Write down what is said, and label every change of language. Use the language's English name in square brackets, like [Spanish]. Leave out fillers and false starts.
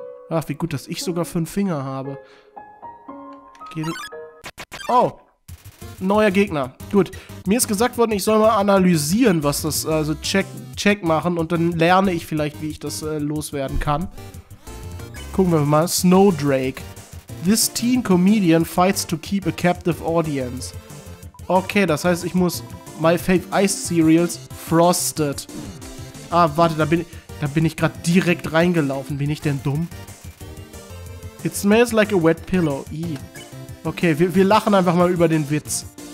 [German] Ach, wie gut, dass ich sogar 5 Finger habe. Oh, neuer Gegner. Gut, mir ist gesagt worden, ich soll mal analysieren, was das, also check machen und dann lerne ich vielleicht, wie ich das loswerden kann. Gucken wir mal, Snowdrake. [English] This teen comedian fights to keep a captive audience. [German] Okay, das heißt, ich muss My Fave Ice Cereals Frosted. Ah, warte, da bin ich gerade direkt reingelaufen. Bin ich denn dumm? [English] It smells like a wet pillow. [German] Ih. Okay, wir lachen einfach mal über den Witz.